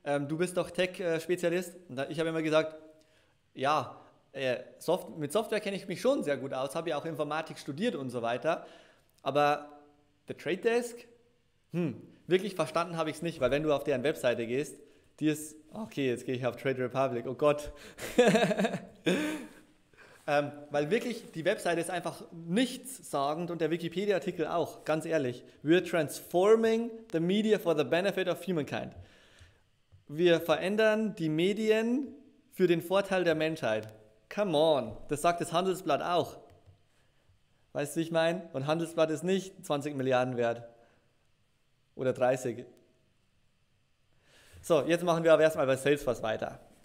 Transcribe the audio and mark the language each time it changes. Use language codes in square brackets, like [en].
[de] Du bist doch Tech-Spezialist. Ich habe immer gesagt, ja, mit Software kenne ich mich schon sehr gut aus, habe ja auch Informatik studiert und so weiter, aber The Trade Desk, wirklich verstanden habe ich es nicht, weil wenn du auf deren Webseite gehst, die ist, okay, jetzt gehe ich auf Trade Republic, oh Gott. weil wirklich, die Webseite ist einfach nichtssagend und der Wikipedia-Artikel auch, ganz ehrlich. [en] We're transforming the media for the benefit of humankind. [de] Wir verändern die Medien für den Vorteil der Menschheit. [en] Come on, [de] das sagt das Handelsblatt auch. Weißt du, wie ich meine? Und Handelsblatt ist nicht 20 Milliarden wert. Oder 30. So, jetzt machen wir aber erstmal bei Salesforce weiter.